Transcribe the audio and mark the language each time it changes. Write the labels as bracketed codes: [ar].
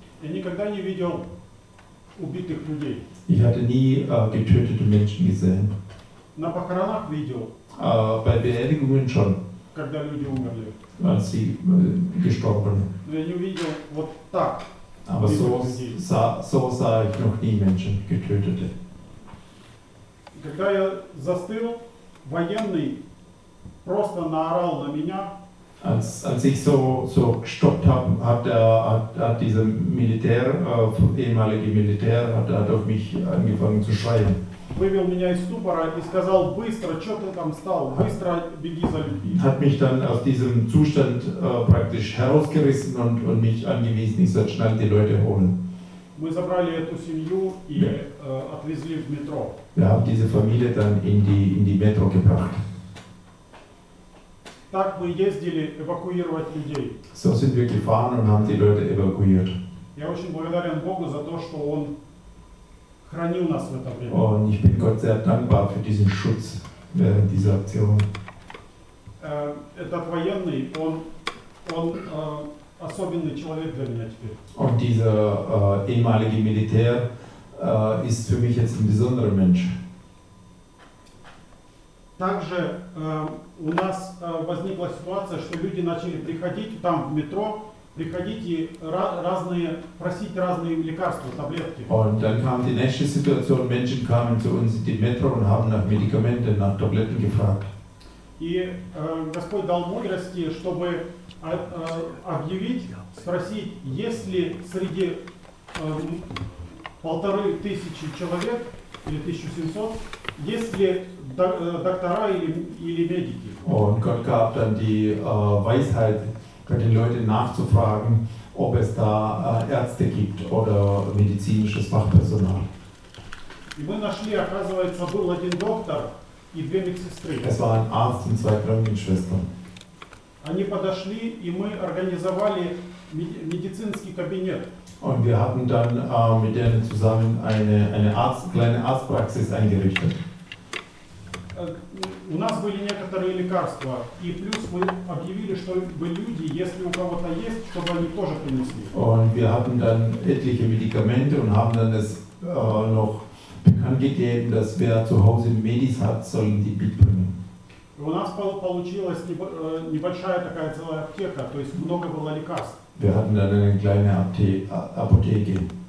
[ru] Я никогда не видел убитых людей. [de] Ich hatte nie getötete Menschen gesehen. [ru] На похоронах видел. [de] Bei Beerdigungen schon. [ru] Когда люди умерли. [de] Als sie gestorben. [ru] Но я не видел вот так. [de] Aber so sah ich noch nie Menschen getötete. [ru] Когда я застыл, военный просто наорал на меня. [de] Als ich so gestoppt habe, hat dieser ehemalige Militär hat auf mich angefangen zu schreien. [ru] Вывел меня из ступора и сказал: быстро, что ты там стал? Быстро беги за людьми. [de] Hat mich dann aus diesem Zustand praktisch herausgerissen und mich angewiesen, ich soll schnell die Leute holen. [ru] Мы забрали эту семью и отвезли в метро. [de] Wir haben diese Familie dann in die Metro gebracht. [ru] Так мы ездили эвакуировать людей. [de] So sind wir gefahren und haben die Leute evakuiert. [ru] Я очень благодарен Богу за то, что Он хранил нас в это время. [de] Und ich bin Gott sehr dankbar für diesen Schutz während dieser Aktion. [ru] Этот военный, он особенный человек для меня теперь. [de] Und dieser ehemalige Militär ist für mich jetzt ein besonderer Mensch. [ru] Также у нас возникла ситуация, что люди начали приходить там в метро, приходить и разные просить разные лекарства, таблетки. [de] Und dann kam die nächste Situation, Menschen kamen zu uns in die Metro und haben nach Medikamenten, nach Tabletten gefragt. [ru] И Господь дал мудрости, чтобы объявить, спросить, есть ли среди 1500 человек или 1700, есть ли доктора или медики. [de] Und Gott gab dann die Weisheit, bei den Leuten nachzufragen, ob es da Ärzte gibt oder medizinisches Fachpersonal. [ru] И мы нашли, оказывается, был один доктор и две медсестры. [de] Es war ein Arzt und zwei Krankenschwestern. [ru] Они подошли, и мы организовали медицинский кабинет. [de] Und wir hatten dann mit denen zusammen eine kleine Arztpraxis eingerichtet. [ru] У нас были некоторые лекарства, и плюс мы объявили, что люди, если у кого-то есть, чтобы они тоже принесли. [de] Und wir hatten dann etliche Medikamente und haben dann es noch bekannt gegeben, dass wer zu Hause Medis hat, sollen die mitbringen. [ru] У нас получилась небольшая такая целая аптека, то есть много было лекарств. [de] Wir hatten dann eine kleine Apotheke.